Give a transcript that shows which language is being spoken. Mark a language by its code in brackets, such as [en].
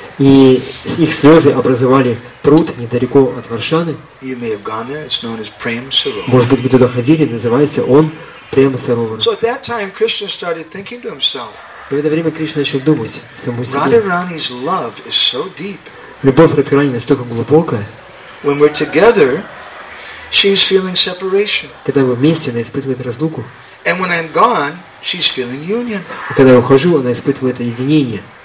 [ru] И их слезы образовали пруд недалеко от Варшаны. [en] You may have gone there. It's known as Prem Sarovar. [ru] Может быть, вы туда ходили, называется он Прем Сарова. [en] So at that time, Krishna started thinking to himself. [ru] И в это время Кришна начал думать саму себе. Любовь Радхарани настолько глубокая. Когда мы вместе, она испытывает разлуку. И когда я ухожу, она испытывает единение.